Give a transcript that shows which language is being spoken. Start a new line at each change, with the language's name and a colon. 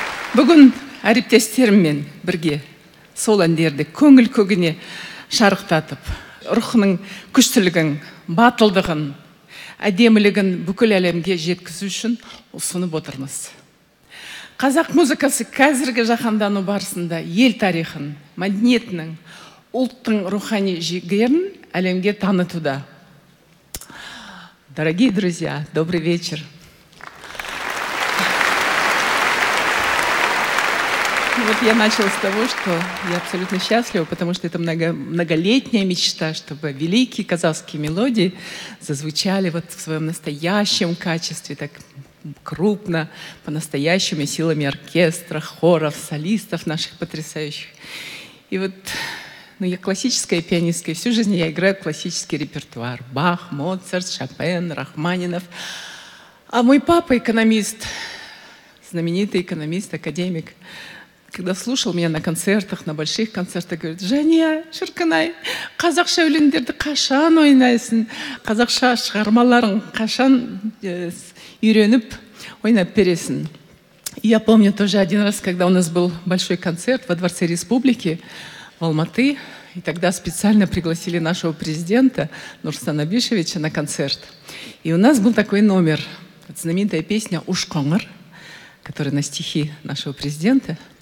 Kazakh: Бүгін әріптестеріммен бірге сол әндерді көңіл көгіне шарықтатып, рухының күштілігін, батылдығын, әдемілігін бүкіл әлемге жеткізу үшін ұсынып отырмыз. Қазақ музыкасы қазіргі жаһандану барысында ел тарихын, мәдениетінің, ұлттың рухани жігерін әлемге танытуда.
Russian: Дорогие друзья, добрый вечер! Вот я начала с того, что я абсолютно счастлива, потому что это многолетняя мечта, чтобы великие казахские мелодии зазвучали вот в своем настоящем качестве, так крупно, по-настоящему, силами оркестра, хоров, солистов наших потрясающих. И вот, ну, я классическая пианистка, и всю жизнь я играю классический репертуар. Бах, Моцарт, Шопен, Рахманинов. А мой папа экономист, знаменитый экономист, академик, когда слушал меня на концертах, на больших концертах, говорит:
Kazakh: «Жания, Шырканай, қазақша өлеңдерді қашан ойнайсың? Қазақша шығармаларын қашан үйреніп ойнап бересің?»
Russian: Я помню тоже один раз, когда у нас был большой концерт во Дворце Республики в Алматы, и тогда специально пригласили нашего президента Нурсултана Абишевича на концерт. И у нас был такой номер, знаменитая песня «Ушконар», которая на стихи нашего президента.